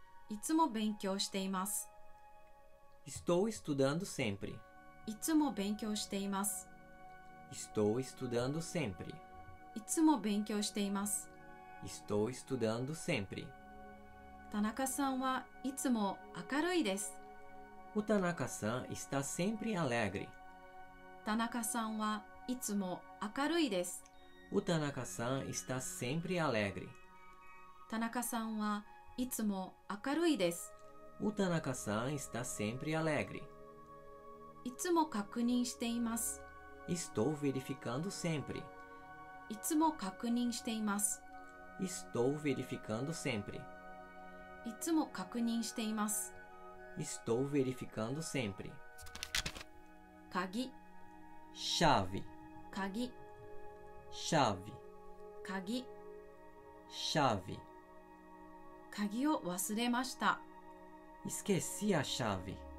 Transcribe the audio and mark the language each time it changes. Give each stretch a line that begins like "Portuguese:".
Japanese: いつも勉強しています
Portuguese: Estou estudando sempre
Japanese: いつも勉強しています
Portuguese: Estou estudando sempre
Japanese: いつも勉強しています
Portuguese: Estou estudando sempre
Japanese: 田中さんはいつも明るいです
Portuguese: O Tanaka-san está sempre alegre
Japanese: 田中さんはいつも明るいです
Portuguese: O Tanaka-san está sempre alegre.
Japanese: Tanaka-san はいつも明るいです。
Portuguese: O Tanaka-san está sempre alegre.
Japanese: いつも確認しています。
Portuguese: Estou verificando sempre.
Japanese: いつも確認しています。
Portuguese: Estou verificando sempre.
Japanese: いつも確認しています。
Portuguese: Estou verificando sempre.
Japanese: 鍵
Portuguese: Chave
Japanese: 鍵
Portuguese: Chave.
Japanese: 鍵
Portuguese: Chave.
Japanese: 鍵を忘れました
Portuguese: Esqueci a chave.